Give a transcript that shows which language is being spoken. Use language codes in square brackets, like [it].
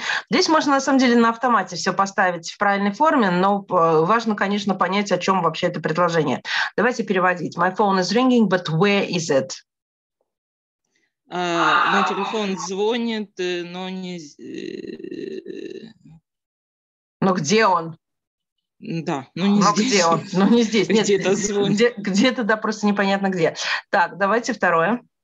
[ru] Здесь можно, на самом деле, на автомате все поставить в правильной форме, но важно, конечно, понять, о чем вообще это предложение. Давайте переводить. [en] My phone is ringing, but where is it? [ru] Мой телефон звонит, но не... Но где он? Да, но не здесь. Где он? Но не здесь. Нет, где-то звонит. Где-то, да, просто непонятно где. Так, давайте второе.